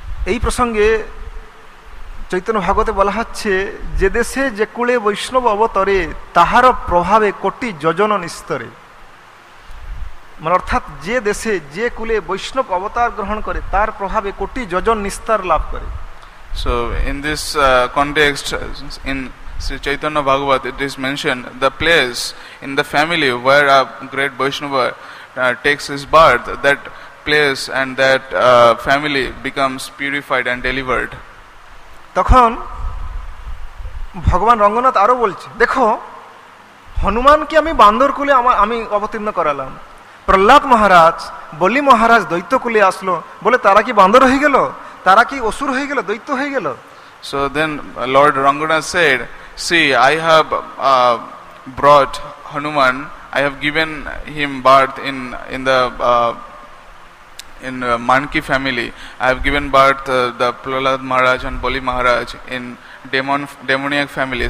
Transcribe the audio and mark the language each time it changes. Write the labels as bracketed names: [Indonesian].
[Bangla] এই প্রসঙ্গে চৈতন্য ভাগবতে বলা হচ্ছে, যে দেশে যে কুলে বৈষ্ণব অবতরে তাহার প্রভাবে কোটি যজন নিস্তরে, মানে অর্থাৎ যে দেশে যে কুলে বৈষ্ণব অবতার গ্রহণ করে তার প্রভাবে কোটি যজন নিস্তার লাভ করে. [English] So in this context, in Sri Chaitanya Bhagavat, it is mentioned the place in the family where a great Vaishnava takes his birth, that place and that family becomes purified and delivered. [Bangla] তখন ভগবান রঙ্গনাথ আরো বলছে, দেখো হনুমানকে আমি বান্দর কুলে আমি অবতীর্ণ করালাম, প্রহ্লাদ মহারাজ বলি মহারাজ দৈত্য কুলে আসলো, বলে তারা কি বান্দর হয়ে গেল, তারা কি অসুর হয়ে গেল, দৈত্য হয়ে গেল? [English] So then Lord Ranguna said, see, I have brought Hanuman, I have given him birth in the Manki family. I have given birth the Prahlad Maharaj and Bali Maharaj in demoniac family.